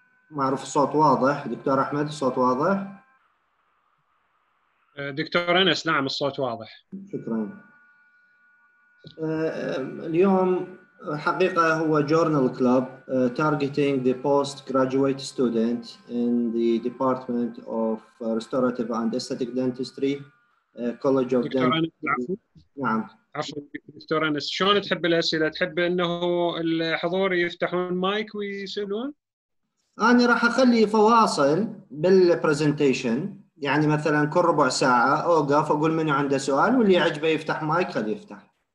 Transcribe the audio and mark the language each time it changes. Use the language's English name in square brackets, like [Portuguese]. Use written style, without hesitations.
[Arabic] معروف الصوت واضح دكتور أحمد، الصوت واضح دكتور أنس؟ نعم الصوت واضح، شكرا. اليوم حقيقة هو جورنال كلوب [English] targeting the postgraduate student in the department of restorative and aesthetic dentistry college of dentistry. [Arabic] دكتور أنس شلون تحب الأسئلة؟ تحب أنه الحضور يفتحون مايك ويسألون؟ أنا راح أخلي فواصل بالبرزنتيشن، يعني مثلا كل ربع ساعة اوقف اقول منو عنده سؤال واللي يعجبه يفتح مايك خليه يفتح.